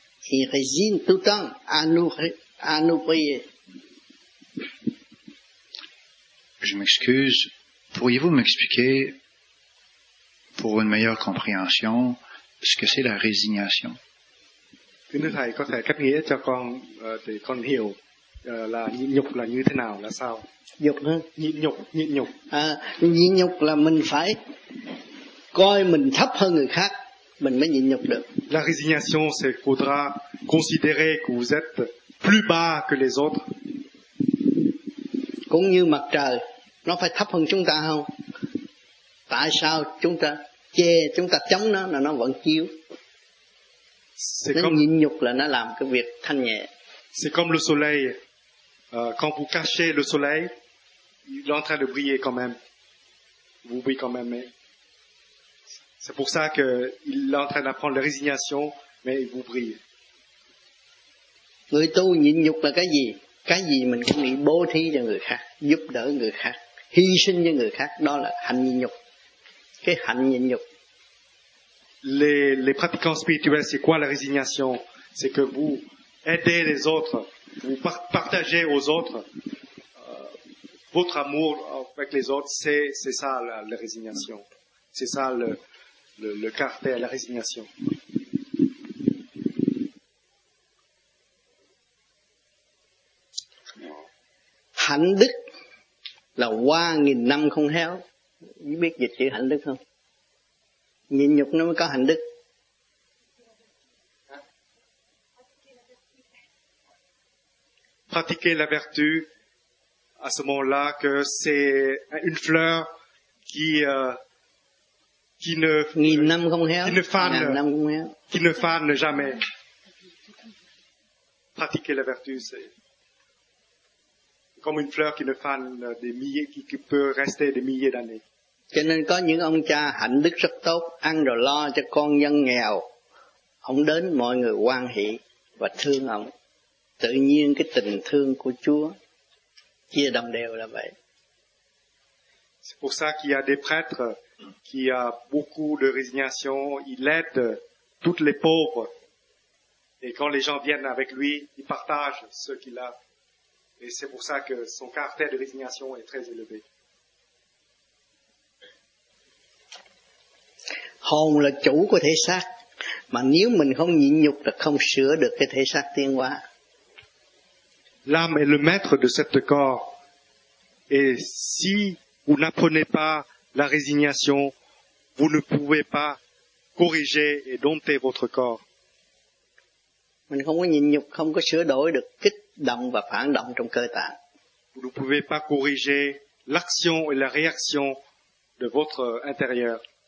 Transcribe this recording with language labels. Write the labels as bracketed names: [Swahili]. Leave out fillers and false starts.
[French] Il résigne tout le temps à nous prier. Je m'excuse. Pourriez-vous m'expliquer, pour une meilleure compréhension, ce que c'est la résignation? [Vietnamese] Thưa thầy, có thể cách nghĩa cho con để con hiểu là nhịn nhục là như thế nào, là sao? Nhục hả? Nhịn nhục. Nhịn nhục là mình phải coi mình thấp hơn người khác, mình mới nhịn nhục được. [French] La résignation, c'est faudra considérer que vous êtes plus bas que les autres. [Vietnamese] Cũng như mặt trời, nó phải thấp hơn chúng ta không? Tại sao chúng ta chê, chúng ta chống nó là nó vẫn chiếu? [French] C'est [Vietnamese] nó [French] comme... [Vietnamese] nhịn nhục là nó làm cái việc thanh nhẹ. [French] C'est comme le soleil. Quand vous cachez le soleil, il est en train de briller quand même. Vous brillez quand même. Mais c'est pour ça qu'il est en train d'apprendre la résignation, mais il vous brille. [Vietnamese] Người tu nhịn nhục là cái gì? Cái gì mình cũng nghĩ bố thí cho người khác, giúp đỡ người khác, hy sinh cho người khác, đó là hạnh nhịn nhục. Cái hạnh nhịn nhục. [French] Les pratiquants spirituels, c'est quoi la résignation? C'est que vous aidez les autres, vous partagez aux autres votre amour avec les autres, c'est ça la résignation. C'est ça le caractère, la résignation. [Vietnamese] Hạnh đức là qua nghìn năm không héo. Không biết dịch chữ hạnh đức không? Nhịn nhục nó mới có hạnh đức. [French] Pratiquer la vertu à ce moment-là, que c'est une fleur qui ne fane jamais. Pratiquer la vertu, c'est comme une fleur qui ne fane des milliers, qui peut rester des milliers d'années. [Vietnamese] Cho nên có những ông cha hạnh đức rất tốt, ăn rồi lo cho con dân nghèo. Ông đến mọi người hoan hỷ và thương ông. Tự nhiên cái tình thương của Chúa chia đồng đều là vậy. [French] C'est pour ça qu'il y a des prêtres qui a beaucoup de résignation, il aide toutes les pauvres. Et quand les gens viennent avec lui, il partage ce qu'il a. Et c'est pour ça que son caractère de résignation est très élevé. [Vietnamese] Hồn là chủ của thể xác, mà nếu mình không nhịn nhục là không sửa được cái thể xác tiến hóa. [French] L'âme est le maître de cette corps. Et si vous n'apprenez pas la résignation, vous ne pouvez pas corriger et dompter votre corps. [Vietnamese] Mình không có nhịn nhục, không có sửa đổi được kích động và phản động trong cơ tạng. [French] Vous ne pouvez pas corriger l'action et la réaction de votre intérieur.